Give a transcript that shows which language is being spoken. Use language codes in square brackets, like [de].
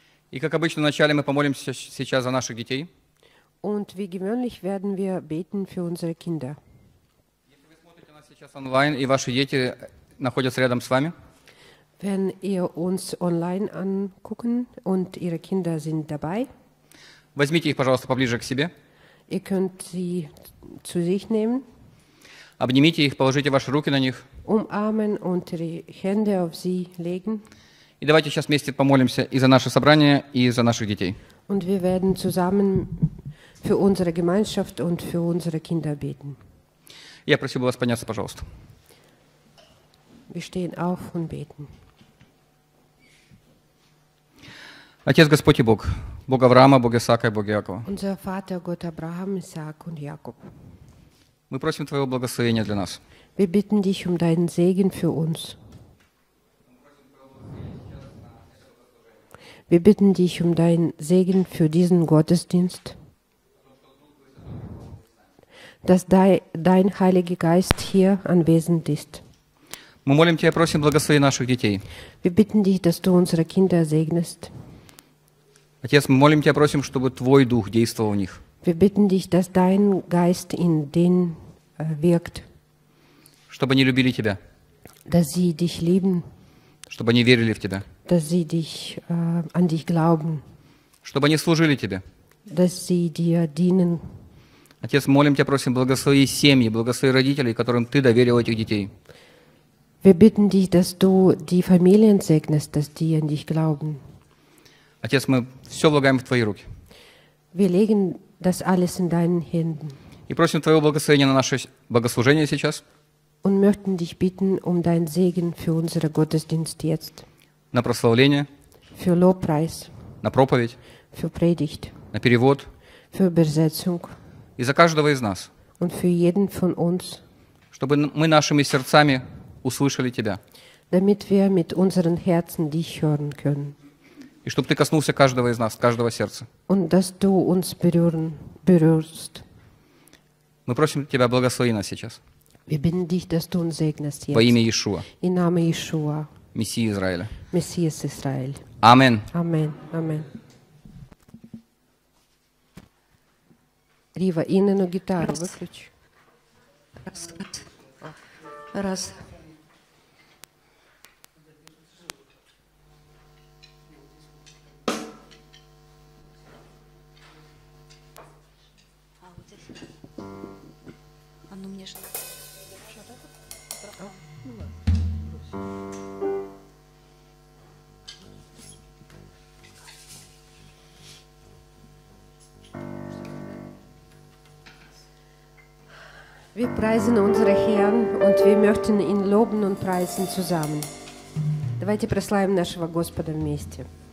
[ru] И как обычно, вначале мы помолимся сейчас за наших детей. [de] Und wie gewöhnlich werden wir beten für unsere Kinder. [ru] Если вы смотрите нас сейчас онлайн, и ваши дети находятся рядом с вами. [de] Wenn ihr uns online angucken und ihre Kinder sind dabei. [ru] Возьмите их, пожалуйста, поближе к себе. [de] Ihr könnt sie zu sich nehmen. [ru] Обнимите их, положите ваши руки на них. [de] Umarmen und ihre Hände auf sie legen. [ru] И давайте сейчас вместе помолимся и за наше собрание, и за наших детей. [de] Und wir werden zusammen für unsere Gemeinschaft und für unsere Kinder beten. [ru] Я просил бы вас подняться, пожалуйста. [de] Wir stehen auf und beten. [ru] Отец Господь и Бог, Бог Авраама, Бог Исаака и Бог Иакова. [de] Unser Vater, Gott Abraham, Isaac und Jakob. [ru] Мы просим Твоего благословения для нас. [de] Wir bitten dich um deinen Segen für uns. Wir bitten dich um deinen Segen für diesen Gottesdienst, dass dein Heiliger Geist hier anwesend ist. [ru] Мы молим тебя, просим, благослови наших детей. [de] Wir bitten dich, dass du unsere Kinder segnest. [ru] Отец, мы молим тебя, просим, чтобы твой дух действовал в них. [de] Wir bitten dich, dass dein Geist in denen wirkt. [ru] Чтобы они любили тебя. [de] Dass sie dich lieben. [ru] Чтобы они верили в тебя. [de] Dass sie dich an dich glauben. [ru] Чтобы они служили тебе. [de] Dass sie dir dienen. [ru] Отец, молим тебя, просим, благослови семьи, благослови родителей, которым ты доверил этих детей. [de] Wir bitten dich, dass du die Familien segnest, dass die an dich glauben. [ru] Отец, мы все влагаем в твои руки. [de] Wir legen das alles in deinen Händen. [ru] И просим твоего благословения на наше богослужение сейчас. [de] Und möchten dich bitten um deinen Segen für unseren Gottesdienst jetzt. [ru] На прославление. [de] Für Lobpreis. [ru] На проповедь. [de] Für Predigt. [ru] На перевод. [de] Für Übersetzung. [ru] И за каждого из нас. [de] Und für jeden von uns. [ru] Чтобы мы нашими сердцами услышали тебя. [de] Damit wir mit unseren Herzen dich hören können. [ru] И чтобы ты коснулся каждого из нас, каждого сердца. [de] Und dass du uns berührst. [ru] Мы просим тебя, благослови нас сейчас. [de] Wir bitten dich, dass du uns segnest jetzt. [ru] Во имя Иешуа. [de] Im Namen Иешуа. [ru] Мессии Израиля. [de] Messias Israel. Amen. Amen. Amen. [ru] Рива, Инну гитару выключи. Раз. Раз. [de] Wir preisen unseren Herrn und wir möchten ihn loben und preisen zusammen. [ru] Давайте прославим нашего Господа вместе.